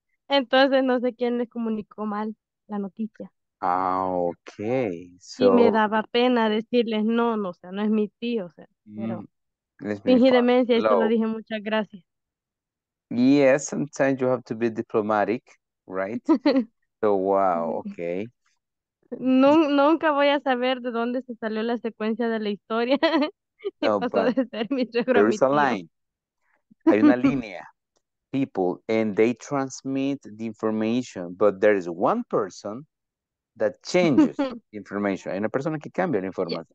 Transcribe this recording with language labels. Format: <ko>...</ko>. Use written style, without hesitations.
<es>Entonces no sé quién les comunicó mal la noticia.</es> <en>Ah, okay.</en> <es>So, y me daba pena decirles no, o sea, no es mi tío, o sea, pero fingí demencia y solo dije muchas gracias.</es> <en>Yes, sometimes you have to be diplomatic, right? So, wow, okay.</en> <es>Nunca voy a saber de dónde se salió la secuencia de la historia. No, pasó de ser mi suegro a mi tío.</es> <en>There is a line.</en> <es>Hay una línea.</es> <en>People, and they transmit the information, but there is one person that changes the information.</en> <es>Hay una persona que cambia la información.</es>